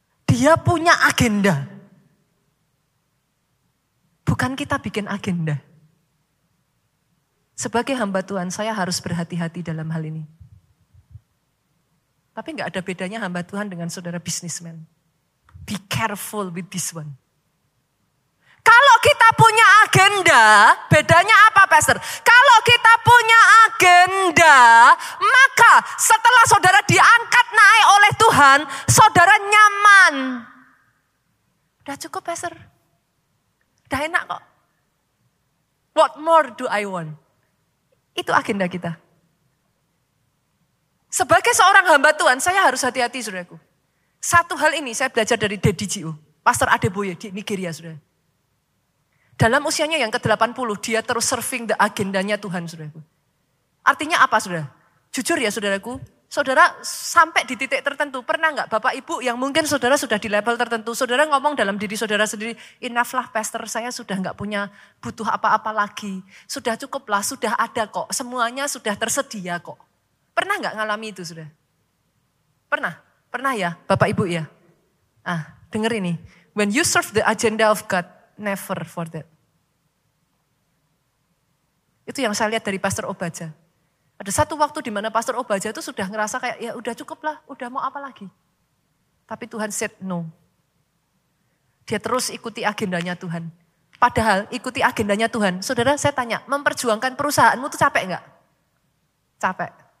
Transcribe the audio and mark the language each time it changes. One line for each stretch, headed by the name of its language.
Indonesian: Dia punya agenda. Bukan kita bikin agenda. Sebagai hamba Tuhan, saya harus berhati-hati dalam hal ini. Tapi gak ada bedanya hamba Tuhan dengan saudara businessman.
English: Be careful with this one.
Indonesian: Kalau kita punya agenda, bedanya apa, Pastor? Kalau kita punya agenda, maka setelah saudara diangkat naik oleh Tuhan, saudara nyaman. Udah cukup, Pastor. Udah enak kok.
English: What more do I want?
Indonesian: Itu agenda kita. Sebagai seorang hamba Tuhan, saya harus hati-hati, saudaraku. Satu hal ini saya belajar dari Daddy Gio, Pastor Adeboye di Nigeria, saudara. Dalam usianya yang ke-80, dia terus
English: serving the
Indonesian: agendanya Tuhan, saudaraku. Artinya apa, saudara? Jujur ya, saudaraku, saudara sampai di titik tertentu, pernah gak bapak ibu yang mungkin saudara sudah di level tertentu, saudara ngomong dalam diri saudara sendiri, enough lah Pastor, saya sudah gak punya butuh apa-apa lagi. Sudah cukup lah, sudah ada kok, semuanya sudah tersedia kok. Pernah gak ngalami itu sudah? Pernah? Pernah ya bapak ibu ya? Ah, denger ini,
English: when you serve the agenda of God, never for that.
Indonesian: Itu yang saya lihat dari Pastor Obaja. Ada satu waktu di mana Pastor Obaja itu sudah ngerasa kayak, ya udah cukup lah, udah mau apa lagi. Tapi Tuhan
English: said no.
Indonesian: Dia terus ikuti agendanya Tuhan. Padahal ikuti agendanya Tuhan. Saudara, saya tanya, memperjuangkan perusahaanmu itu capek gak? Capek.